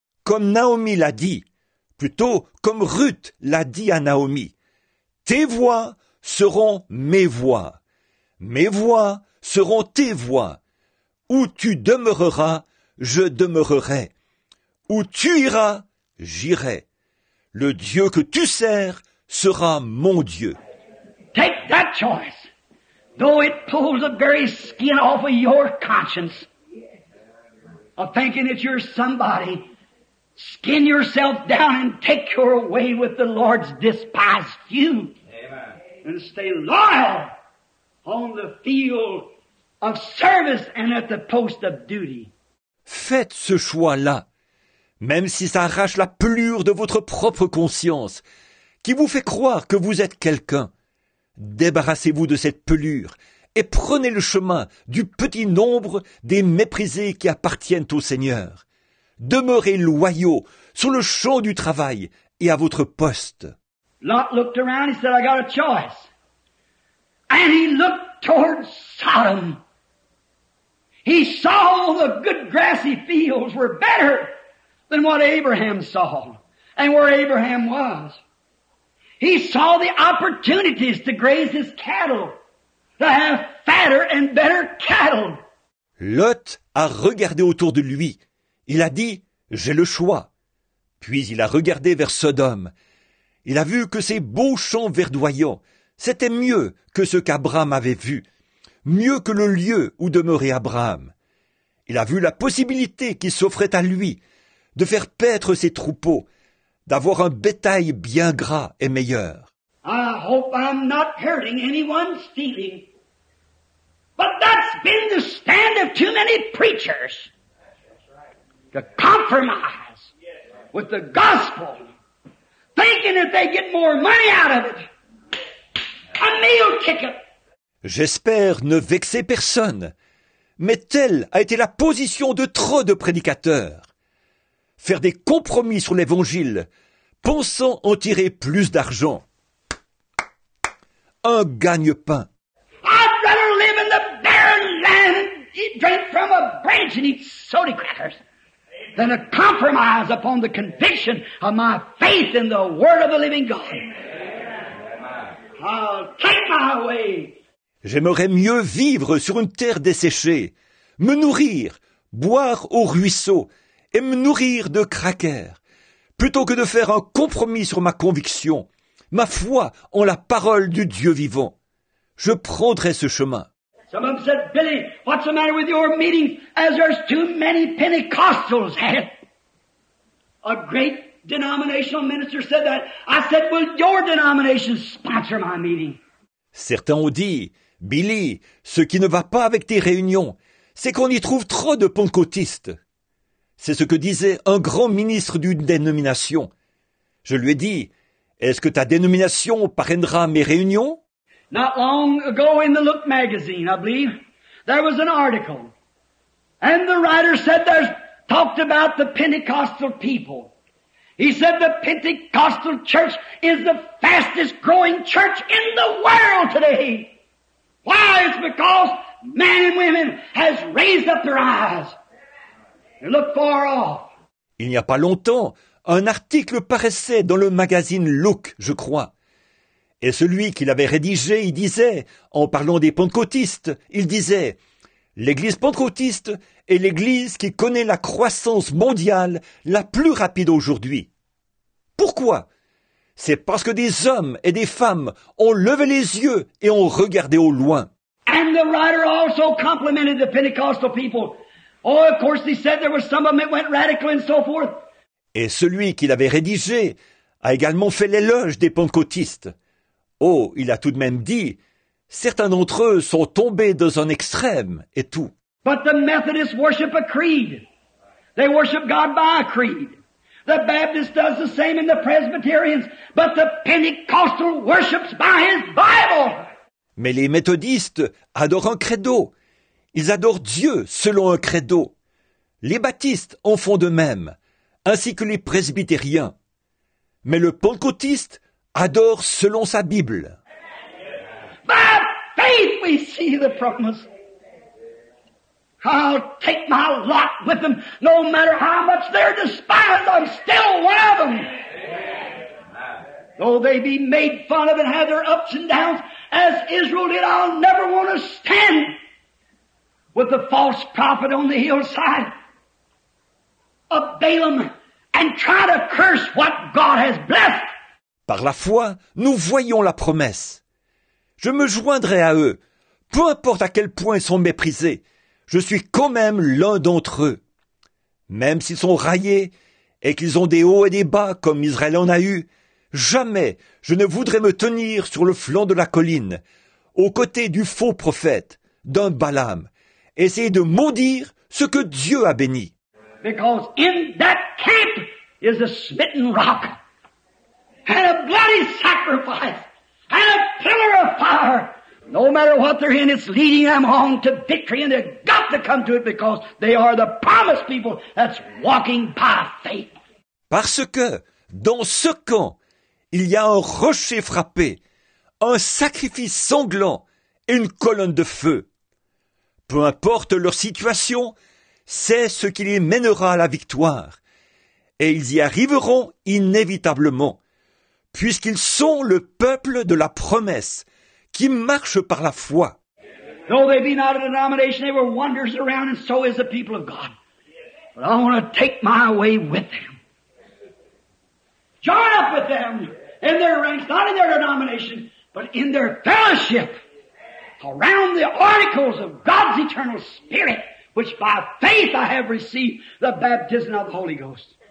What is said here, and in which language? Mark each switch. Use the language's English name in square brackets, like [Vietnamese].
[French] Comme Naomi l'a dit, plutôt comme Ruth l'a dit à Naomi, tes voies seront mes voies. Mes voies seront tes voies. Où tu demeureras, je demeurerai. Où tu iras, j'irai. Le Dieu que tu sers sera mon Dieu. [English] Take that choice, though it pulls the very skin off of your conscience, of thinking that you're somebody. Skin yourself down and take your way with the Lord's despised few. Amen. And stay loyal on the field of service and at the post of duty. [French] Faites ce choix-là, même si ça arrache la pelure de votre propre conscience, qui vous fait croire que vous êtes quelqu'un. Débarrassez-vous de cette pelure et prenez le chemin du petit nombre des méprisés qui appartiennent au Seigneur. Demeurez loyaux sur le champ du travail et à votre poste. [English] Lot looked around, he said, I got a choice. And he looked towards Sodom. He saw the good grassy fields were better than what Abraham saw and where Abraham was. He saw the opportunities to graze his cattle, to have fatter and better cattle. [French] Lot a regardé autour de lui. Il a dit, j'ai le choix. Puis il a regardé vers Sodome. Il a vu que ces beaux champs verdoyants, c'était mieux que ce qu'Abraham avait vu, mieux que le lieu où demeurait Abraham. Il a vu la possibilité qui s'offrait à lui de faire paître ses troupeaux, d'avoir un bétail bien gras et meilleur. [English] I hope I'm not hurting anyone's feeling, but that's been the stand of too many preachers to compromise with the gospel, thinking that they get more money out of it. A meal ticket. [French] J'espère ne vexer personne, mais telle a été la position de trop de prédicateurs. Faire des compromis sur l'Évangile, pensant en tirer plus d'argent. Un gagne-pain. [English] I'd rather live in the barren land, eat, drink from a branch and eat soda crackers, than a compromise upon the conviction of my faith in the Word of the Living God. I'll take my way. [French] J'aimerais mieux vivre sur une terre desséchée, me nourrir, boire au ruisseau et me nourrir de crackers, plutôt que de faire un compromis sur ma conviction, ma foi en la parole du Dieu vivant. Je prendrai ce chemin. [English] Some of them said, Billy, what's the matter with your meeting as there's too many Pentecostals at? A great denominational minister said that. I said, will your denomination sponsor my meeting? [French] Certains ont dit, Billy, ce qui ne va pas avec tes réunions, c'est qu'on y trouve trop de pentecôtistes. C'est ce que disait un grand ministre d'une dénomination. Je lui ai dit, est-ce que ta dénomination parrainera mes réunions? [English] Not long ago in the Look magazine, I believe, there was an article. And the writer said, there's talked about the Pentecostal people. He said, the Pentecostal church is the fastest growing church in the world today. Why? It's because men and women has raised up their eyes and look far off. [French] Il n'y a pas longtemps, un article paraissait dans le magazine Look, je crois. Et celui qui l'avait rédigé, il disait, en parlant des pentecôtistes, il disait, l'église pentecôtiste est l'église qui connaît la croissance mondiale la plus rapide aujourd'hui. Pourquoi? C'est parce que des hommes et des femmes ont levé les yeux et ont regardé au loin. [English] And the writer also complimented the Pentecostal people. Oh, of course, he said there were some of them that went radical and so forth. [French] Et celui qui l'avait rédigé a également fait l'éloge des pentecôtistes. Oh, il a tout de même dit, certains d'entre eux sont tombés dans un extrême et tout. [English] But the Methodists worship a creed. They worship God by a creed. The Baptist does the same in the Presbyterians, but the Pentecostal worships by his Bible. [French] Mais les méthodistes adorent un credo. Ils adorent Dieu selon un credo. Les baptistes en font de même, ainsi que les presbytériens. Mais le pentecôtiste adore selon sa Bible. [English] By faith we see the promise. I'll take my lot with them, no matter how much they're despised, I'm still one of them. Though they be made fun of and have their ups and downs, as Israel did, I'll never want to stand with the false prophet on the hillside of Balaam and try to curse what God has blessed. [French] Par la foi, nous voyons la promesse. Je me joindrai à eux, peu importe à quel point ils sont méprisés. Je suis quand même l'un d'entre eux. Même s'ils sont raillés et qu'ils ont des hauts et des bas comme Israël en a eu, jamais je ne voudrais me tenir sur le flanc de la colline aux côtés du faux prophète, d'un Balaam, essayer de maudire ce que Dieu a béni. [English] Because in that camp is a smitten rock, and a bloody sacrifice, and a pillar of fire. No matter what they're in, it's leading them on to victory, and they've got to come to it because they are the promised people that's walking by faith. [French] Parce que dans ce camp, il y a un rocher frappé, un sacrifice sanglant et une colonne de feu. Peu importe leur situation, c'est ce qui les mènera à la victoire. Et ils y arriveront inévitablement, puisqu'ils sont le peuple de la promesse, qui marche par la foi. [English] Though they be not a denomination, they were wanderers around, and so is the people of God. But I want to take my way with them. Join up with them in their ranks, not in their denomination, but in their fellowship around the articles of God's eternal spirit, which by faith I have received the baptism of the Holy Ghost.